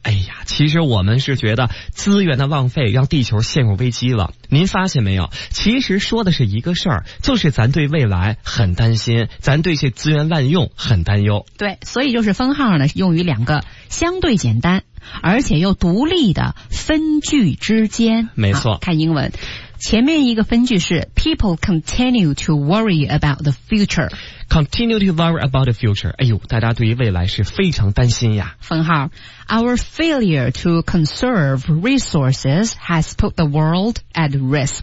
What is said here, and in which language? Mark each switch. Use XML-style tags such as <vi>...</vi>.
<zh>哎呀，其实我们是觉得资源的浪费让地球陷入危机了。您发现没有？其实说的是一个事儿，就是咱对未来很担心，咱对这资源滥用很担忧。对，所以就是分号呢，用于两个相对简单，而且又独立的分句之间。没错，看英文。前面一个分句是</zh> <en>people continue to worry about the future. Continue to worry about the future.</en> <zh>哎呦，大家对于未来是非常担心呀。分号</zh> <en>,our failure to conserve resources has put the world at risk.</en>